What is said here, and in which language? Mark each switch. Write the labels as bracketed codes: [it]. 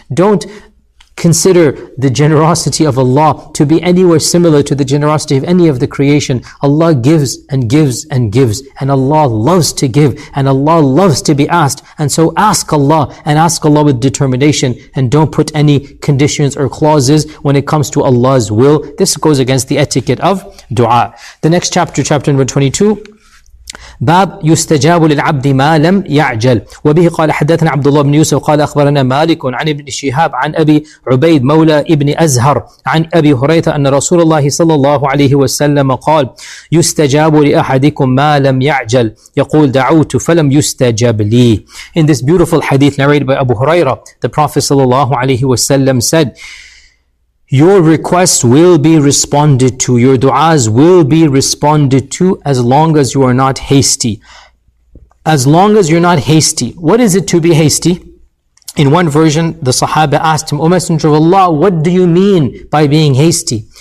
[en] Don't consider the generosity of Allah to be anywhere similar to the generosity of any of the creation. Allah gives and gives and gives, and Allah loves to give, and Allah loves to be asked. And so ask Allah, and ask Allah with determination, and don't put any conditions or clauses when it comes to Allah's will. This goes against the etiquette of dua. The next chapter, chapter number 22, [ar] باب يستجاب للعبد ما لم يعجل وبه قال حدثنا عبد الله بن يوسف قال أخبرنا مالك عن ابن شهاب عن أبي عبيد مولى ابن أزهر عن أبي هريرة أن رسول الله صلى الله عليه وسلم قال يستجاب لأحدكم ما لم يعجل يقول دعوت فلم يستجاب لي. [en] In this beautiful hadith narrated by Abu Huraira, the Prophet صلى الله عليه وسلم said, your requests will be responded to, your du'as will be responded to, as long as you are not hasty. As long as you're not hasty. What is it to be hasty? In one version, the Sahaba asked him, O Messenger of Allah, what do you mean by being hasty?